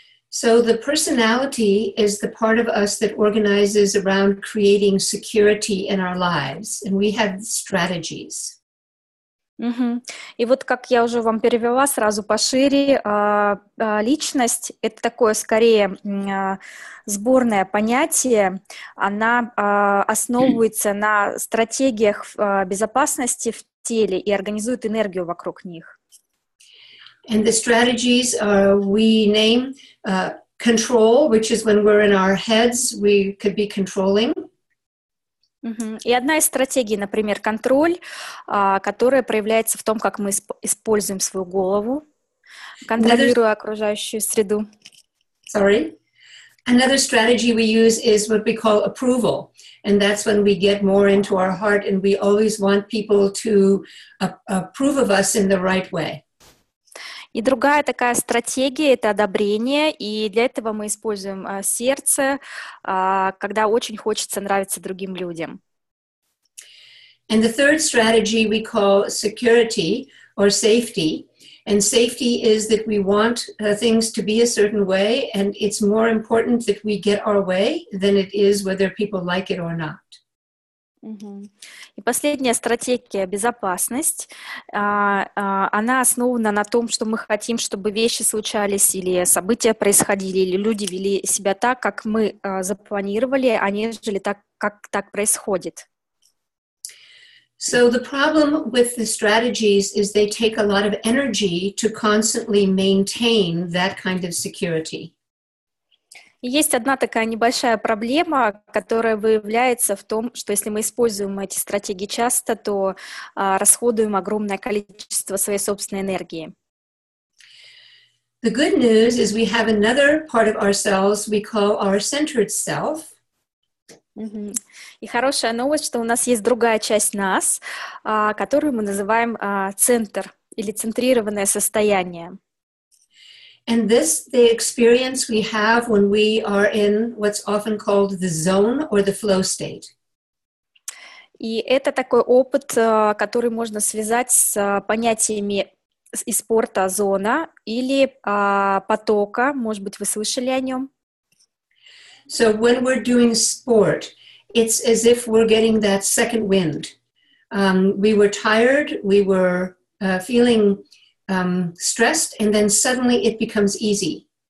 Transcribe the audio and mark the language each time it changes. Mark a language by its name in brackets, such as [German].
[English] So the personality is the part of us that organizes around creating security in our lives, and we have strategies. Угу. [Russian] И вот как я уже вам перевела сразу пошире, личность — это такое скорее сборное понятие, она основывается на стратегиях безопасности в теле и организует энергию вокруг них. [English] And the strategies we name control, which is when we're in our heads, we could be controlling. [Russian] И одна из стратегий, например, контроль, которая проявляется в том, как мы используем свою голову, контролируя окружающую среду. [English] Sorry. Another strategy we use is what we call approval. And that's when we get more into our heart and we always want people to approve of us in the right way. [Russian] И другая такая стратегия — это одобрение, и для этого мы используем сердце, когда очень хочется нравиться другим людям. [English] And the third strategy we call security or safety. And safety is that we want things to be a certain way, and it's more important that we get our way than it is whether people like it or not. [Russian] И последняя стратегия — безопасность. Она основана на том, что мы хотим, чтобы вещи случались, или события происходили, или люди вели себя так, как мы запланировали, а нежели так, как так происходит. [English] So the problem with the strategies is they take a lot of energy to constantly maintain that kind of security. [Russian] Есть одна такая небольшая проблема, которая выявляется в том, что если мы используем эти стратегии часто, то расходуем огромное количество своей собственной энергии. [English] The good news is we have another part of ourselves we call our centered self. Mm-hmm. [Russian] И хорошая новость, что у нас есть другая часть нас, которую мы называем центр или центрированное состояние. [English] And this, the experience we have when we are in what's often called the zone or the flow state. [Russian] И это такой опыт, который можно связать с понятиями из спорта зона или потока. Может быть, вы слышали о нем? [English] So when we're doing sport, it's as if we're getting that second wind. We were tired, we were feeling stressed, and then suddenly it becomes easy.